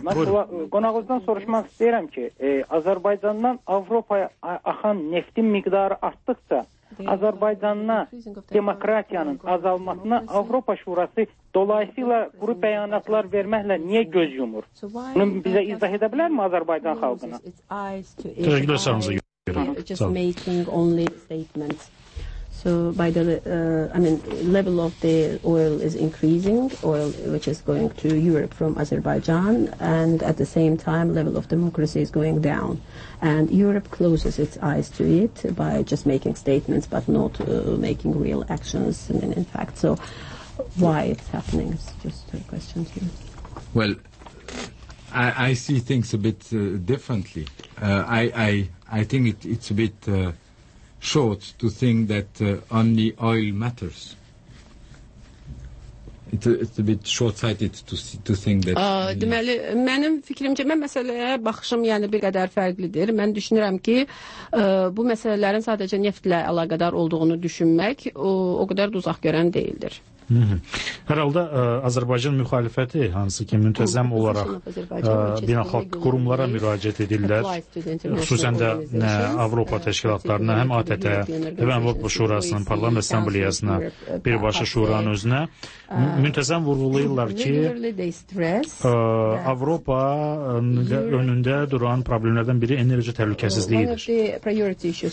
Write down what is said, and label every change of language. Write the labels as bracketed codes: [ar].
[az] Mən Qonağoz'dan soruşmak istəyirəm ki, Azərbaycandan Avropaya axan neftin miqdarı artdıqca Azərbaycanına demokratiyanın azalmasına Avropa Şurası dolayısıyla quru bəyanatlar verməklə niyə göz yumur? Bunu bizə izah edə bilərmi Azərbaycan xalqına? Təşəkkürlər sağınıza görə. [en] So by the level of the oil is increasing, oil which is going to Europe from Azerbaijan, and at the same time level of democracy is going down, and Europe closes its eyes to it by just making statements but not making real actions in fact. So why it's happening is just a question to you. Well, I see things a bit differently. I think it's a bit short to think that only oil matters. It's a bit short-sighted to think that. [az] Deməli, mənim fikrimcə, mən məsələyə baxışım yəni bir qədər fərqlidir. Mən düşünürəm ki, bu məsələlərin sadəcə neftlə əlaqədar olduğunu düşünmək o qədər də uzaq görən deyildir. Hər halda Azərbaycan müxalifəti, hansı ki müntəzəm olaraq beynəlxalq qurumlara müraciət edirlər, xüsusən də Avropa təşkilatlarına, həm ATƏT-ə, həm Avropa Şurasının Parlament Assambleyasına, birbaşa şuranın özünə müntəzəm vurğulayırlar ki, Avropa önündə duran problemlərdən biri enerji təhlükəsizliyidir.